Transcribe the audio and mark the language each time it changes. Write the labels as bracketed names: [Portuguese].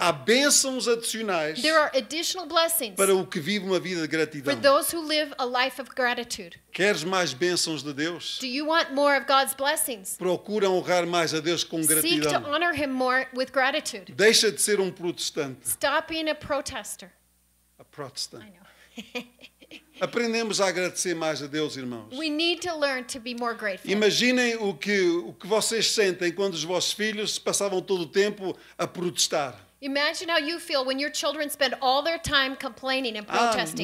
[Portuguese] Há bênçãos adicionais [English] there are additional blessings [Portuguese] para o que vive uma vida de gratidão. [English] For those who live a life of gratitude. [Portuguese] Queres mais bênçãos de Deus? [English] Do you want more of God's blessings? [Portuguese] Procura honrar mais a Deus com gratidão. [English] Seek to honor him more with gratitude. [Portuguese] Deixa de ser um protestante. [English] Stop being a protester. A protestant. I know. [Portuguese] Aprendemos a agradecer mais a Deus, irmãos. [English] We need to learn to be more grateful. [Portuguese] Imaginem o que vocês sentem quando os vossos filhos passavam todo o tempo a protestar. [English] Imagine how you feel when your children spend all their time complaining and protesting.